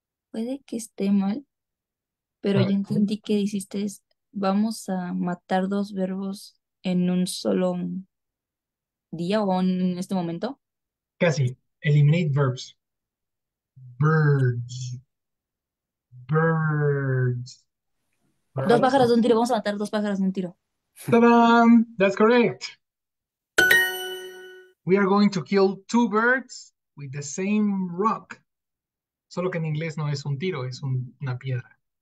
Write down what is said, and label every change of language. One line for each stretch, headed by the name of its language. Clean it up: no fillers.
Spanish: Puede que esté mal, pero yo entendí que dijiste es, vamos a matar dos verbos en un solo día o en este momento. Casi,
English: eliminate verbs. Birds.
Spanish: Dos
English: Birds.
Spanish: pájaros de
English: Birds.
Spanish: un tiro, vamos a matar dos pájaros de un tiro.
English: ¡Ta-da! That's correct. We are going to kill two birds with the same rock.
Spanish: Solo que en inglés no es un tiro, es una piedra.